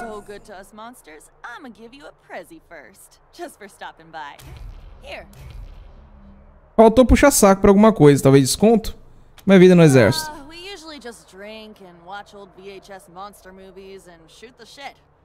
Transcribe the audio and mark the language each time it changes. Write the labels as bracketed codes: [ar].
[en] So good to us monsters, I'm gonna give you a prezi first, just for stopping by. Here. [pt] Faltou puxar saco pra alguma coisa, talvez desconto? Minha vida no exército. [en] We usually just drink and watch old VHS monster movies and shoot the shit.